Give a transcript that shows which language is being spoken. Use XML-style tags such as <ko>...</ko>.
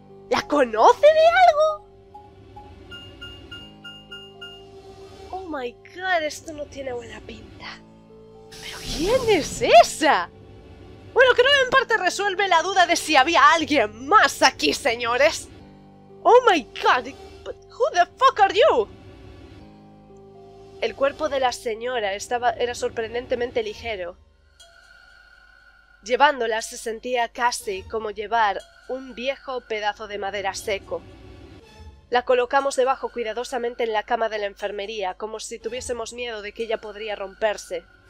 <es>¿La conoce de algo?</es> <en>Oh my god,</en> <es>esto no tiene buena pinta. ¿Pero quién es esa? Bueno, creo que en parte resuelve la duda de si había alguien más aquí, señores.</es> <en>Oh my god, but who the fuck are you?</en> <es>El cuerpo de la señora era sorprendentemente ligero. Llevándola se sentía casi como llevar un viejo pedazo de madera seco. La colocamos debajo cuidadosamente en la cama de la enfermería, como si tuviésemos miedo de que ella podría romperse.</es>